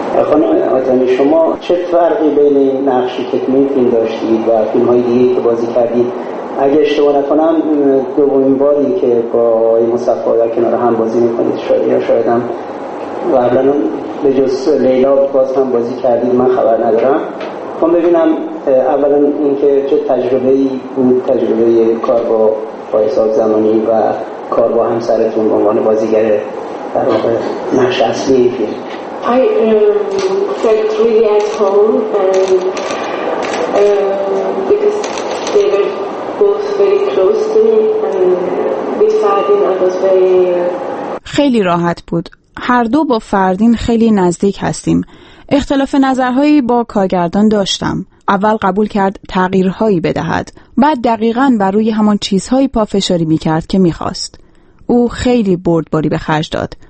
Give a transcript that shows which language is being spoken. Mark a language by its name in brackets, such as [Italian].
[Persian] خانم آتنی، شما چه فرقی بین نقشی که توی فیلم داشتید و فیلم های دیگه که بازی کردید؟ اگه اشتباه نکنم دومین باری که با آقای مصفا در کنار هم بازی میکنید، شایدم قبلا به جز لیلا باز هم بازی کردید، من خبر ندارم. خب ببینم، اولا اینکه چه تجربه‌ای بود، تجربه کار با فایصل زمانی و کار با همسرتون به عنوان بازیگر در واقع نقش اصلی این فیلم؟ [English] I felt really at home and because they were both very close to me and beside me I was very [Persian] خیلی راحت بود. هر دو با فردین خیلی نزدیک هستیم. اختلاف نظرهایی با کارگردان داشتم. اول قبول کرد تغییرهایی بدهد، بعد دقیقاً بر روی همان چیزهایی پافشاری می‌کرد که می‌خواست. او خیلی بردباری به خرج داد